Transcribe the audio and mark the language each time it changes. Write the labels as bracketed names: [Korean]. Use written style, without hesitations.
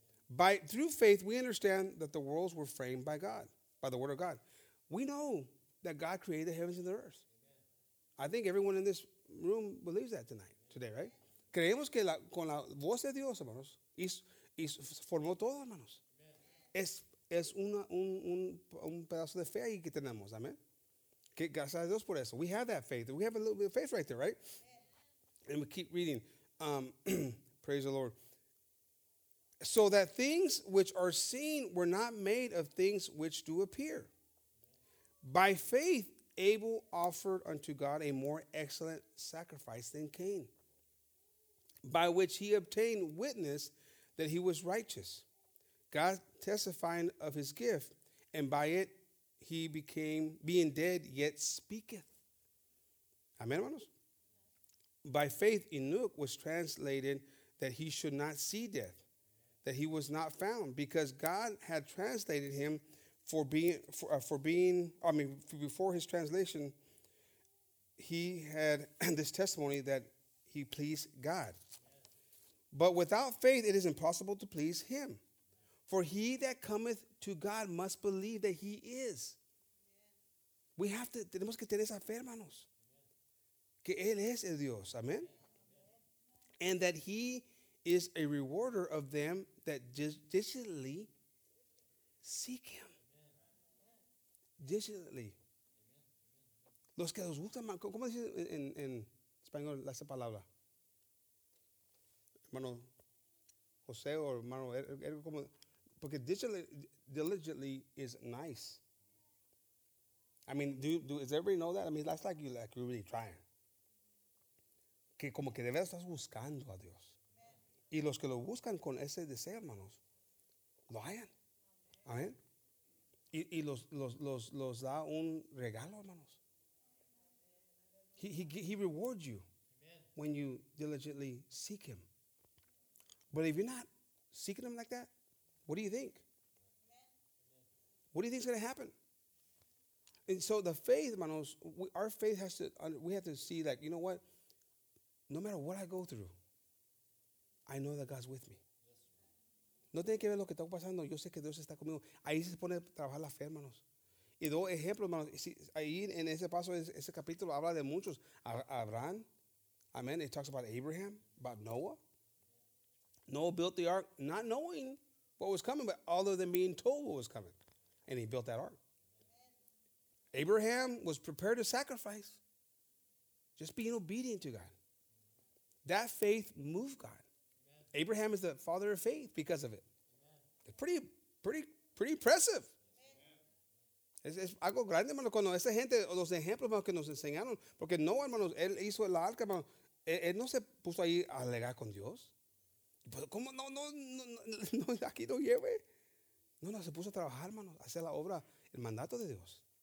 [English] By through faith, we understand that the worlds were framed by God, by the word of God. We know that God created the heavens and the earth. I think everyone in this room believes that tonight, today, right? [Spanish] Creemos que con la voz de Dios, hermanos, y formó todo, hermanos. Es un pedazo de fe ahí que tenemos, amen. Que gracias a Dios por eso. [English] We have that faith. We have a little bit of faith right there, right? And we keep reading. praise the Lord. So that things which are seen were not made of things which do appear. By faith, Abel offered unto God a more excellent sacrifice than Cain, by which he obtained witness that he was righteous, God testifying of his gift, and by it he became, being dead, yet speaketh. Amen, hermanos. By faith, Enoch was translated that he should not see death, that he was not found, because God had translated him before his translation, he had this testimony that he pleased God. But without faith, it is impossible to please him. For he that cometh to God must believe that he is. We have to, [Spanish] tenemos que tener esa fe, hermanos. Que él es el Dios, amen. [English] And that he is a rewarder of them that diligently seek him. Diligently. [Spanish] Los que los buscan, ¿cómo dice en español esa palabra? Hermano José o hermano Eric, ¿cómo? Porque [English] diligently is nice. I mean, does everybody know that? I mean, that's like you're really trying. [Spanish] Que como que de verdad estás buscando a Dios. Y los que lo buscan con ese deseo, hermanos, lo hallan. Amén. Y los da un regalo, hermanos. [English] He rewards you when you diligently seek him. But if you're not seeking him like that, what do you think? What do you think is going to happen? And so the faith, hermanos, our faith has to, we have to see that, you know what? No matter what I go through, I know that God's with me. [Spanish] No tiene que ver lo que está pasando. Yo sé que Dios está conmigo. Ahí se pone a trabajar la fe, hermanos. Y dos ejemplos, hermanos. Si, ahí en ese paso, ese capítulo, habla de muchos. [English] Abraham, amen. It talks about Abraham, about Noah. Noah built the ark, not knowing what was coming, but all of them being told what was coming. And he built that ark. Abraham was prepared to sacrifice, just being obedient to God. That faith moved God. Abraham is the father of faith because of it. It's pretty impressive. [Spanish] Es algo grande, hermano, cuando esa gente, los ejemplos, hermano, que nos enseñaron. Porque no, hermanos, él hizo el arca, hermano. Él no se puso ahí a alegar con Dios. Pero ¿cómo? No, aquí no lleve. No, se puso a trabajar, hermano, a hacer la obra, el mandato de Dios.